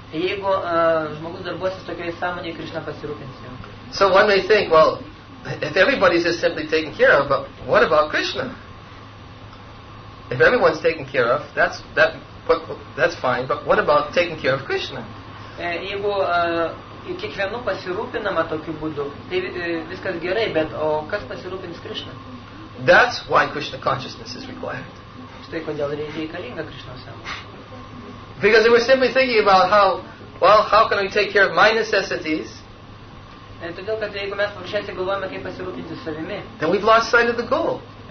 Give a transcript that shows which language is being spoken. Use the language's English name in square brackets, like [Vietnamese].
[Lithuanian] Jeigu žmogus darbuosis tokioje sąmonėje, Krishna pasirūpins juo. [English] So one may think, well, if everybody is just simply taken care of, but what about Krishna? If everyone's taken care of, that's fine, but what about taking care of Krishna? [Lithuanian] Jeigu kiekvienu pasirūpinama tokiu būdu, tai viskas gerai, bet o kas pasirūpins Krishna? [English] That's why Krishna consciousness is required. [Lithuanian] Štai kodėl reikalinga Krishna sąmonė. [English] Because if we're simply thinking about how can we take care of my necessities, then we've lost sight of the goal.